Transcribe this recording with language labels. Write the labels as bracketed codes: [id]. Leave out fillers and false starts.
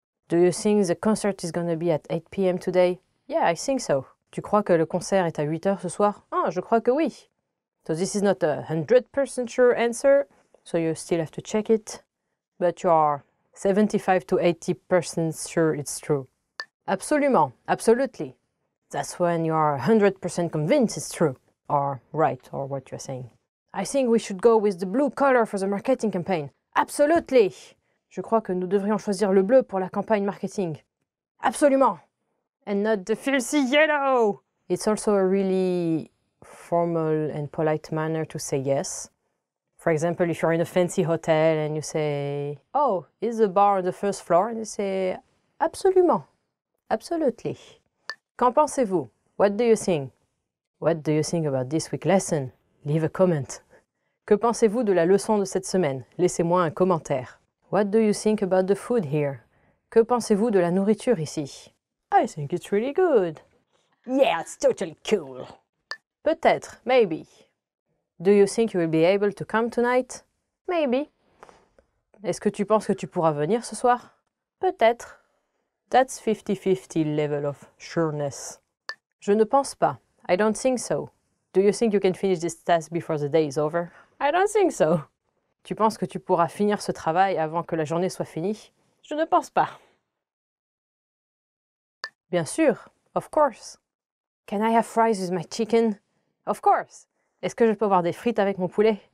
[en] Do you think the concert is gonna be at 8 p.m. today? Yeah, I think so. [fr] Tu crois que le concert est à 8 heures ce soir? Ah, oh, je crois que oui. [en] So this is not a 100% sure answer, so you still have to check it. But you are 75 to 80% sure it's true. Absolument, absolutely. That's when you are 100% convinced it's true, or right, or what you're saying. I think we should go with the blue color for the marketing campaign. Absolutely! [fr] Je crois que nous devrions choisir le bleu pour la campagne marketing. [en] Absolument! And not the filthy yellow! It's also a really formal and polite manner to say yes. For example, if you're in a fancy hotel and you say, "Oh, is the bar on the first floor?" And you say, "Absolument. Absolutely." [fr] Qu'en pensez-vous? [en] What do you think? What do you think about this week's lesson? Leave a comment. [fr] Que pensez-vous de la leçon de cette semaine? Laissez-moi un commentaire. [en] What do you think about the food here? [fr] Que pensez-vous de la nourriture ici? [en] I think it's really good. Yeah, it's totally cool. [fr] Peut-être, maybe. [en] Do you think you will be able to come tonight? Maybe. [fr] Est-ce que tu penses que tu pourras venir ce soir? Peut-être. [en] That's 50-50 level of sureness. [fr] Je ne pense pas. [en] I don't think so. Do you think you can finish this task before the day is over? I don't think so. [fr] Tu penses que tu pourras finir ce travail avant que la journée soit finie? Je ne pense pas. Bien sûr. [en] Of course. Can I have fries with my chicken? Of course. [fr] Est-ce que je peux avoir des frites avec mon poulet?